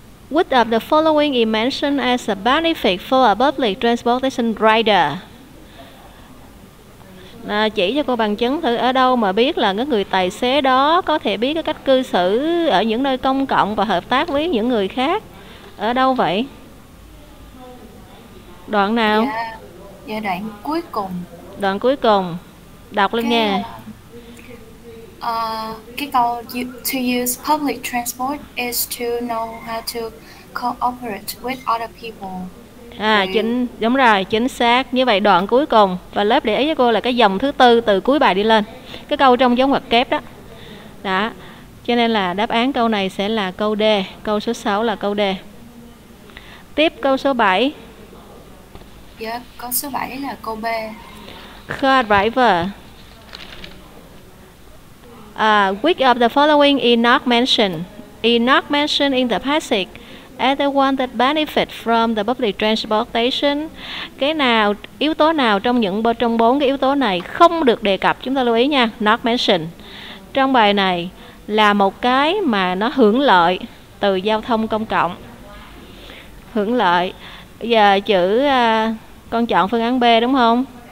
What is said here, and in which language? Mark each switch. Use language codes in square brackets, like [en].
[en] Which of the following is mentioned as a benefit for a public transportation rider? [vi] À, chỉ cho cô bằng chứng thử, ở đâu mà biết là cái người tài xế đó có thể biết cái cách cư xử ở những nơi công cộng và hợp tác với những người khác? Ở đâu vậy? Đoạn nào? Dạ, đoạn cuối cùng. đoạn cuối cùng. Đọc lên nghe. Cái câu [en] to use public transport is to know how to cooperate with other people. [vi] À, chính, đúng rồi, chính xác. Như vậy đoạn cuối cùng. Và lớp để ý cho cô là cái dòng thứ tư từ cuối bài đi lên. Cái câu trong giống hoặc kép đó. Đó. Cho nên là đáp án câu này sẽ là câu D. Câu số 6 là câu D. Tiếp câu số 7. Dạ, câu số 7 là câu B. [en] Car driver. Which of the following is not mentioned? Is not mentioned in the passage. As the one that benefit from the public transportation. [vi] Cái nào, yếu tố nào trong những trong bốn cái yếu tố này không được đề cập, chúng ta lưu ý nha, [en] not mentioned. [vi] Trong bài này là một cái mà nó hưởng lợi từ giao thông công cộng. Hưởng lợi. Giờ chữ con chọn phương án B đúng không?